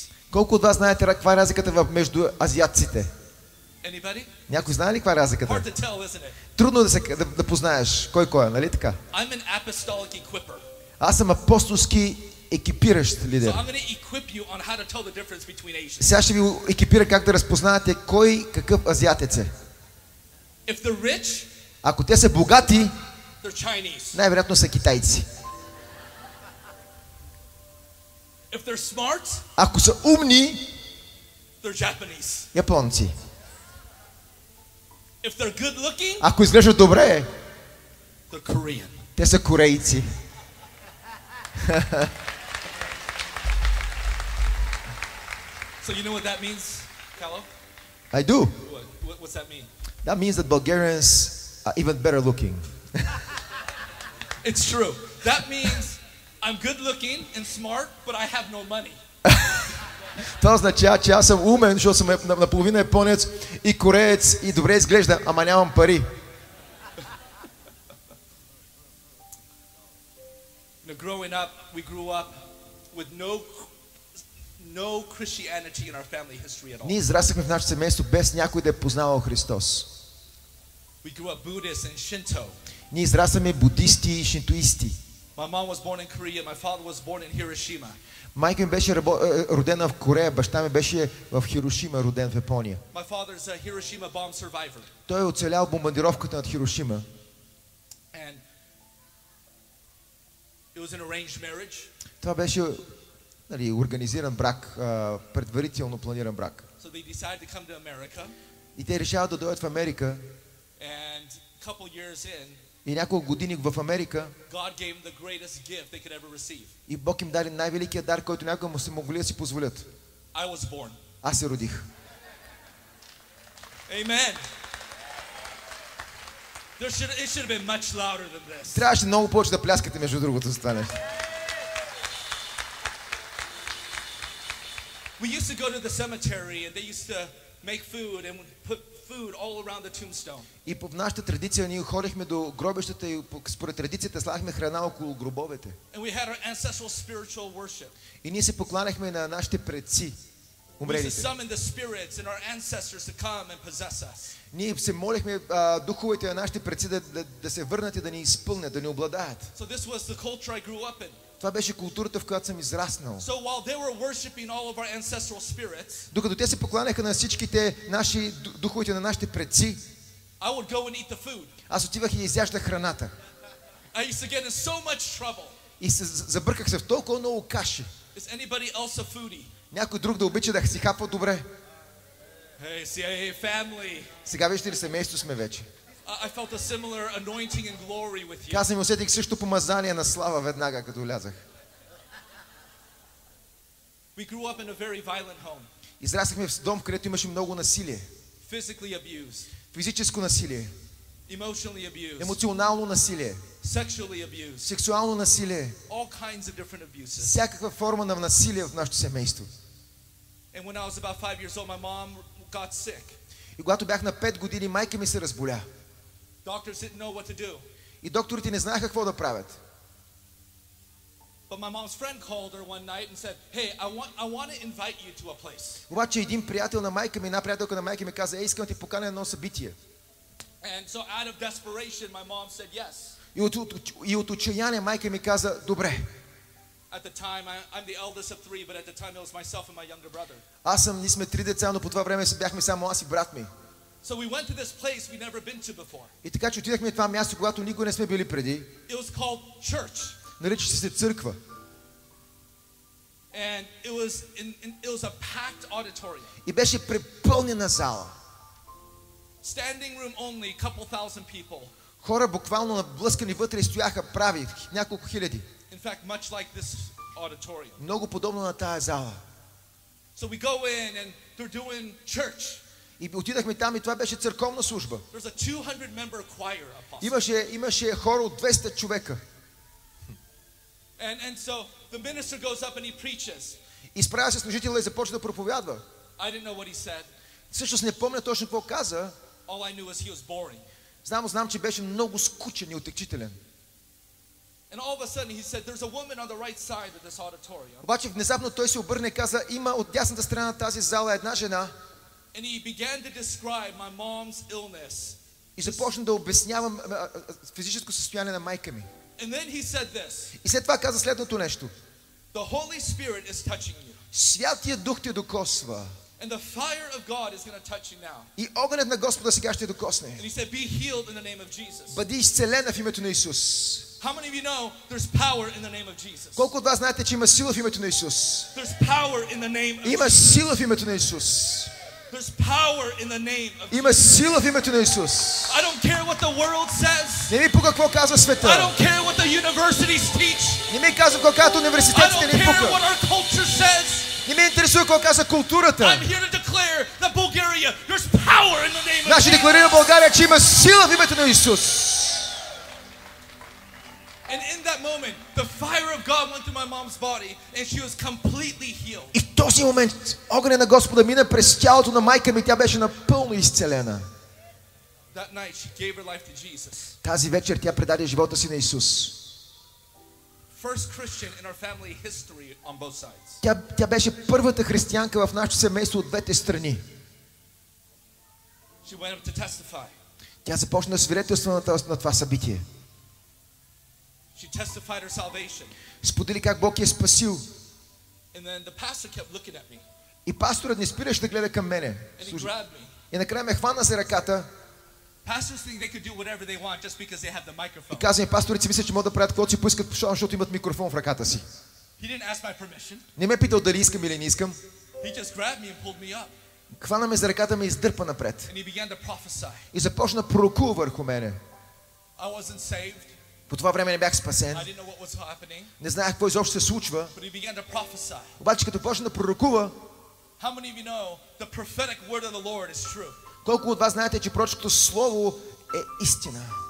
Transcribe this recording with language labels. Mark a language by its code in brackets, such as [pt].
[bg] Колко от вас знаете каква е разликата между азиатците? [en] Anybody? [bg] Някой знае ли каква е разликата? [en] Hard to tell, isn't it? [bg] Трудно е да познаеш кой е, нали така? [en] I'm an apostolic equipper. [bg] Аз съм апостолски екипиращ лидер. [en] So I'm going to equip you on how to tell the difference between Asians. [bg] Сега ще ви екипира как да разпознаете кой какъв азиатец е. [en] If the rich, [bg] ако те са богати, най-вероятно са китайци. [en] If they're smart, [bg] ако са умни, [en] they're Japanese. [bg] Японци. [en] If they're good looking, [bg] ако изглеждат добре, [en] they're Korean. [bg] Те са корейци. [en] So you know what that means, Kalo? I do. What's that mean? That means that Bulgarians are even better looking. It's true. That means I'm good looking and smart, but I have no money. [bg] Това означава, че аз съм умен, защото съм наполовина японец и кореец и добре изглежда, ама нямам пари. [en] Now growing up, we grew up with no Christianity in our family history at all. [bg] Ние израснахме в нашето семейство без някой да е познавал Христос. [en] We grew up Buddhist and Shinto. [bg] Ние израснахме будисти и шинтоисти. [en] My mom was born in Korea, my father was born in Hiroshima. [bg] Майка ми беше родена в Корея, баща ми беше в Хирошима, роден в Япония. [en] My father's a Hiroshima bomb survivor. [bg] Той е оцелял бомбардировката над Хирошима. [en] And it was an arranged marriage. [bg] Това беше, нали, организиран брак, предварително планиран брак. [en] So they decided to come to America. [bg] И те решават да дойдат в Америка. [en] And a couple years in, [bg] и няколко години в Америка, [en] God gave them the greatest gift they could ever receive. [bg] И Бог им даде най-великият дар, който някога му се могли да си позволят. [en] I was born. [bg] Аз се родих. [en] Amen. There should, it should have been much louder than this. [bg] Трябваше много повече да пляскате между другото за това нещо. [en] We used to go to the cemetery and they used to make food and put food all around the tombstone. [bg] И по нашата традиция ние ходихме до гробищата и според традицията слагахме храна около гробовете. [en] And we had our ancestral spiritual worship. [bg] И ние се покланяхме на нашите предци, умрелите. [en] We used to summon the spirits and our ancestors to come and possess us. [bg] Ние се молихме духовете на нашите предци да се върнат и да ни изпълнят, да ни обладаят. [en] So this was the culture I grew up in. [bg] Това беше културата, в която съм израснал. [en] So while they were worshiping all of our ancestral spirits, [bg] докато те се покланяха на всичките наши духовете на нашите предци, [en] I would go and eat the food. [bg] Аз отивах и изяждах храната. [en] I used to get in so much trouble. [bg] И се забърках се в толкова много каши. [en] Is anybody else a foodie? [bg] Някой друг да обича да си хапва добре. [en] Hey, see, hey, family. [bg] Сега вижте ли, семейство сме вече. [en] I felt a similar anointing and glory with you. [bg] Казвам, усетих също помазание на слава веднага като влязах. [en] We grew up in a very violent home. [bg] Израснахме в дом, където имаше много насилие. [en] Physically abused. [bg] Физическо насилие. [en] Emotionally abused. [bg] Емоционално насилие. [en] Sexually abused. [bg] Сексуално насилие. [en] All kinds of different abuses. [bg] Всякаква форма на насилие в нашето семейство. [en] And when I was about 5 years old, my mom got sick. [bg] И когато бях на 5 години, майка ми се разболя. [en] Doctors didn't know what to do. [bg] И докторите не знаеха какво да правят. [en] But my mom's friend called her one night and said, "Hey, I want to invite you to a place." [bg] Обаче един приятел на майка ми, една приятелка на майка ми каза: "Ей, искам да ти поканя на едно събитие." [en] And so out of desperation, my mom said yes. [bg] И от отчаяние майка ми каза: "Добре." [en] At the time I'm the eldest of three, but at the time it was myself and my younger brother. [bg] Аз съм, ние сме три деца, но по това време бяхме само аз и брат ми. [en] So we went to this place we never been to before. [bg] И така че отидахме в това място, когато никога не сме били преди. [en] It was called church. [bg] Наричаше се църква. [en] And it was a packed auditorium. [bg] И беше препълнена зала. [en] Standing room only, couple thousand people. [bg] Хора буквално наблъскани вътре стояха прави няколко хиляди. [en] In fact, much like this auditorium. [bg] Много подобно на тая зала. [en] So we go in and they're doing church. [bg] И отидахме там и това беше църковна служба. [en] There's a 200 member choir. [bg] Имаше хор от 200 човека. [en] And so the minister goes up and he preaches. [bg] Изправя се служителя и започва да проповядва. [en] I didn't know what he said. [bg] Всъщност не помня точно какво каза. [en] All I knew is he was boring. [bg] Знам, че беше много скучен и отекчителен. [en] And all of a sudden he said, "There's a woman on the right side of this auditorium." [bg] Обаче внезапно той се обърне и каза: "Има от дясната страна на тази зала една жена." [en] And he began to describe my mom's illness. [bg] И започна да обяснява физическо състояние на майка ми. [en] And then he said this. [bg] И след това каза следното нещо. [en] The Holy Spirit is touching you. [bg] Святия Дух те докосва. [en] And the fire of God is going to touch you now. [bg] И огънят на Господа сега ще те докосне. [en] And he said, "Be healed in the name of Jesus." [bg] Бъди изцелена в името на Исус. [en] How many of you know there's power in the name of Jesus? [bg] Колко от вас знаете, че има сила в името на Исус? [en] There's power in the name of Jesus. [bg] Има сила в името на Исус. [en] There's power in the name of. [bg] Има сила в името на Исус. [en] I don't care what the world says. [bg] Не ми пука какво казва света. [en] I don't care what the universities teach. [bg] Не ми казва какво казват университетите, не ми пука. [en] I don't care what our culture says. [bg] Не ме интересува какво казва културата. [en] I'm here to declare that Bulgaria, there's power in the name of Jesus. [bg] Наши декларира България, че има сила в името на Исус. [en] And in that moment, the fire of God went through my mom's body and she was completely healed. [bg] И в този момент огънят на Господа мина през тялото на майка ми, тя беше напълно изцелена. [en] That night she gave her life to Jesus. [bg] Тази вечер тя предаде живота си на Исус. [en] First Christian in our family history on both sides. [bg] Тя беше първата християнка в нашето семейство от двете страни. [en] She went up to testify. [bg] Тя започна свидетелство на това събитие. [en] She testified her salvation. [bg] Сподели как Бог я е спасил. [en] And then the pastor kept looking at me. [bg] И пасторът не спираше да гледа към мене. И накрая ме хвана за ръката. [en] Pastors think they could do whatever they want just because they have the microphone. [bg] И каза ми, пасторите си мислят, че могат да правят каквото си поискат, защото имат микрофон в ръката си. [en] He didn't ask my permission. [bg] Не ме питал дали искам или не искам. [en] He just grabbed me and pulled me up. [bg] Хвана ме за ръката, ме издърпа напред. [en] And he began to prophesy. [bg] И започна пророкува върху мене. [en] I wasn't saved. [bg] По това време не бях спасен. [en] I didn't know what was happening. [bg] Не знаех какво изобщо се случва. [en] But he began to prophesy. [bg] Обаче като почна да пророкува, [en] how many of you know the prophetic word of the Lord is true? [bg] Колко от вас знаете, че пророческото слово е истина?